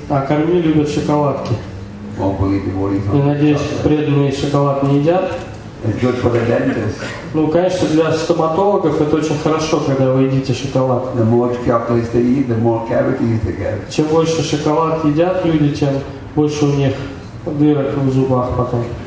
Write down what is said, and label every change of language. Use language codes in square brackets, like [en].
[ru] А Карми любят шоколадки. [en] Hopefully, [ru] и надеюсь, преданные шоколад не едят. [en] Good for the dentist. [ru] Ну, конечно, для стоматологов это очень хорошо, когда вы едите шоколад. [en] The more chocolates they eat, the more cavities they get. [ru] Чем больше шоколад едят люди, тем больше у них дырок в зубах потом.